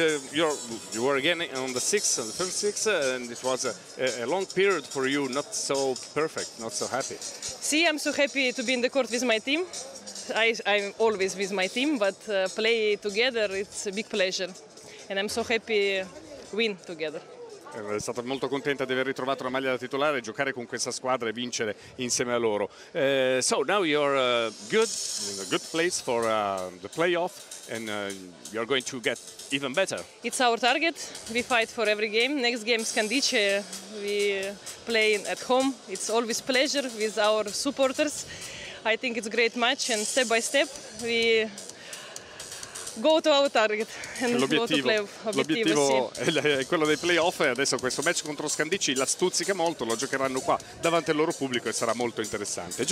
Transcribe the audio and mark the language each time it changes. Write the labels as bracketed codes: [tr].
[en] You were again on the sixth, the first six, and it was a long period for you, not so perfect, not so happy. See, I'm so happy to be in the court with my team. I'm always with my team, but play together, it's a big pleasure. And I'm so happy win together. [it] È stata molto contenta di aver ritrovato la maglia da titolare, giocare con questa squadra e vincere insieme a loro. [en] So now you're good, in a good place for the playoff, and you're going to get even better. It's our target. We fight for every game. Next game is Candice. We play at home. It's always pleasure with our supporters. I think it's a great match, and step by step we go to our target and [it] l'obiettivo, [en] go to playoff. [it] L'obiettivo sì. È quello dei playoff, e adesso questo match contro Scandicci la stuzzica molto, lo giocheranno qua davanti al loro pubblico e sarà molto interessante.